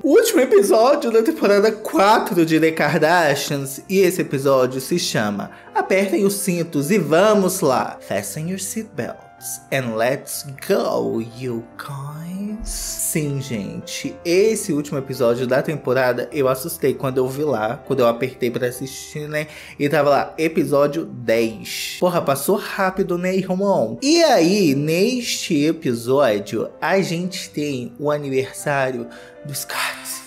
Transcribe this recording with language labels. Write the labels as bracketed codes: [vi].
[pt] O último episódio da temporada 4 de The Kardashians, e esse episódio se chama Apertem os cintos e vamos lá! [en] Fasten your seatbelts and let's go, you guys! [pt] Sim, gente, esse último episódio da temporada eu assustei quando eu vi lá, quando eu apertei pra assistir, né? E tava lá, episódio 10. Porra, passou rápido, né, irmão? E aí, neste episódio, a gente tem o aniversário do Scott.